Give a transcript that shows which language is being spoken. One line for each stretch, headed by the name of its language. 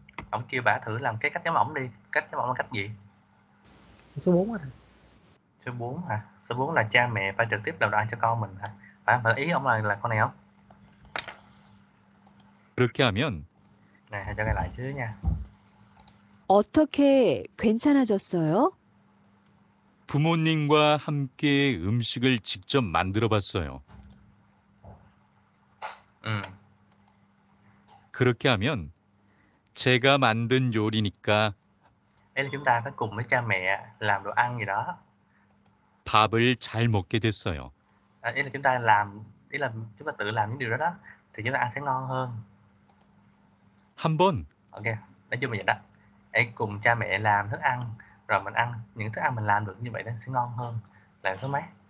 Vietnamese: Ông kêu bà thử làm cái cách giống ổng đi. Cách giống ổng là cách gì? Số 4 hả? Số 4 hả? Số 4 là cha mẹ phải trực tiếp làm đồ ăn cho con mình hả? Bà phải ý ông là con này không?
Korean: 그렇게 하면 네, 잘 적어
Vietnamese: lại chứ nha.
Korean: 어떻게 괜찮아졌어요? 부모님과 함께 음식을 직접 만들어 봤어요. 그렇게 하면 제가 만든 요리니까
Vietnamese: đây là chúng ta phải cùng với cha mẹ làm đồ ăn gì đó.
Korean: 밥을 잘 먹게 됐어요.
Vietnamese: Đây là chúng ta làm, ý là chúng ta tự làm những điều đó đó thì chúng ta ăn sẽ ngon hơn.
Korean: 한번
Vietnamese: ok, nói chung là vậy đó. Hãy cùng cha mẹ làm thức ăn rồi mình ăn những thức ăn mình làm được như vậy đó sẽ ngon hơn. Là số mấy?